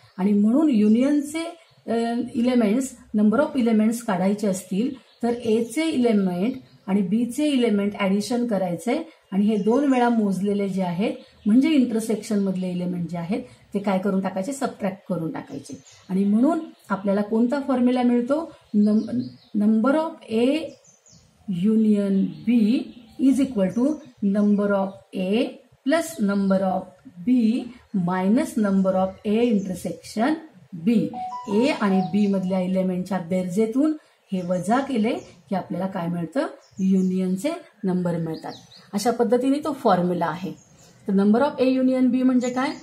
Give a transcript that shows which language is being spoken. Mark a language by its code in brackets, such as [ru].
[mr] आणि म्हणून युनियनचे इलेमेंट्स, नंबर ऑफ इलेमेंट्स काढायचे असतील तर एचे इलेमेंट आणि बीचे इलेमेंट ऍडिशन करायचे. आणि हे दोन वेळा मोजलेले जे आहेत, म्हणजे इंटरसेक्शन मधले इलेमेंट जे आहेत, ते काय करून टाकायचे? सबट्रॅक्ट करून टाकायचे. आणि म्हणून आपल्याला कोणता फॉर्म्युला मिळतो? [en] Number of A union B is equal to number of A plus number of B minus number of A intersection B. [mr] ए आणि बी मधल्या इलेमेंटच्या बेरजेतून हे वजा केले की आपल्याला काय मिळतं? युनियनचे नंबर मिळतात. अशा पद्धतीने तो फॉर्म्युला आहे. तर नंबर ऑफ ए युनियन बी म्हणजे काय?